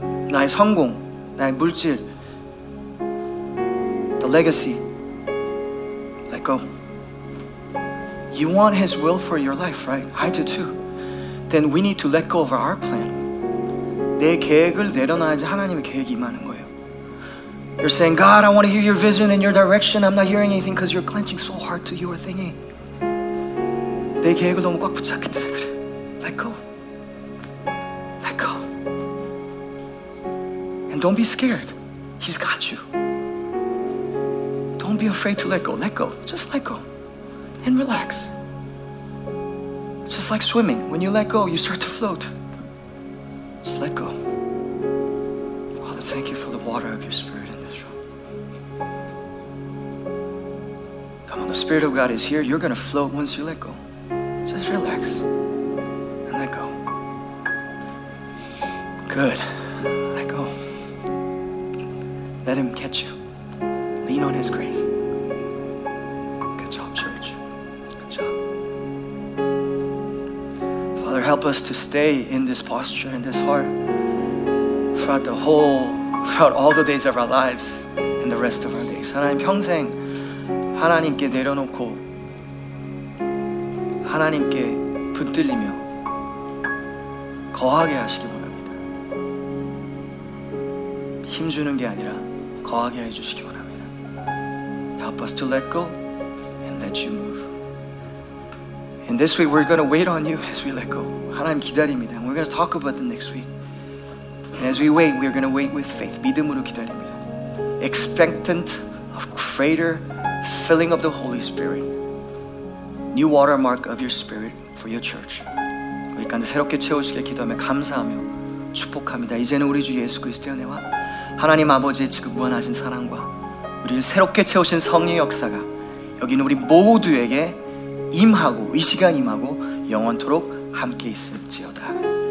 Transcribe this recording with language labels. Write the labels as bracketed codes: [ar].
[ko] 나의 성공, 나의 물질, [en] the legacy, let go. You want His will for your life, right? I do too. Then we need to let go of our plan. [ko] 내 계획을 내려놔야지 하나님의 계획이 임하는 거예요. [en] You're saying, God, I want to hear your vision and your direction. I'm not hearing anything because you're clenching so hard to your thingy. [ko] 내 계획을 너무 꽉 붙잡기 때문에 그래. [en] Let go. Let go. And don't be scared. He's got you. Don't be afraid to let go. Let go. Just let go. And relax. It's just like swimming. When you let go, you start to float. Just let go. Father, thank you for the water of your spirit in this room. Come on, the spirit of God is here. You're going to float once you let go. Just relax and let go. Good. Let go. Let him catch you. Lean on his grace. Good job, church. Good job. Father, help us to stay in this posture, in this heart, throughout the whole, throughout all the days of our lives and the rest of our days. [ko] 하나님, 평생 하나님께 내려놓고 하나님께 붙들리며 거하게 하시기 바랍니다. 힘주는 게 아니라 거하게 해주시기 바랍니다. [en] Help us to let go and let you move. And this week we're going to wait on you as we let go. [ko] 하나님 기다립니다. [en] We're going to talk about the next week. And as we wait, we're going to wait with faith. [ko] 믿음으로 기다립니다. [en] Expectant of greater filling of the Holy Spirit. New watermark of your spirit for your church. [ko] 우리까지 새롭게 채우시길 기도하며 감사하며 축복합니다. 이제는 우리 주 예수 그리스도의 은혜와 하나님 아버지의 지금 무한하신 사랑과 우리를 새롭게 채우신 성령의 역사가 여기 있는 우리 모두에게 임하고 이 시간 임하고 영원토록 함께 있을지어다.